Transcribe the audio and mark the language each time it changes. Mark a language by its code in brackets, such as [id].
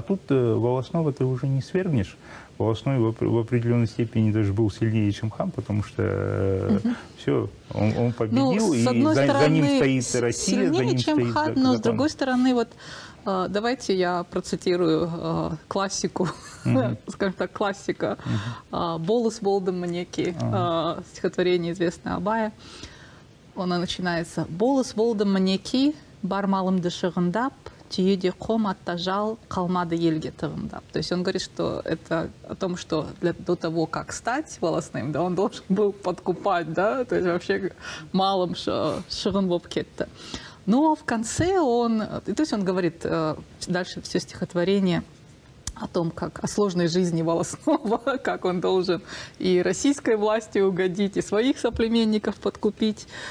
[ru] А тут волостного ты уже не свергнешь. Волостной в определенной степени даже был сильнее, чем хан, потому что все, он победил, ну, и за ним стоит Россия. Сильнее, за ним чем стоит хан, но с другой стороны, вот давайте я процитирую классику, скажем так, классика, [kk] «Болос болдым манеки», [ru] стихотворение известное Абая. Она начинается: [kk] «Болос болдым манеки, бар малым дышығындап, түйеде қом аттажал, қалмады елге тығындап». [ru] То есть он говорит, что это о том, что до того, как стать волостным, да, он должен был подкупать, да, то есть вообще [kk] малым шығын боп кетті. [ru] Но в конце он, то есть он говорит дальше все стихотворение о том, как о сложной жизни волостного, как он должен и российской власти угодить, и своих соплеменников подкупить.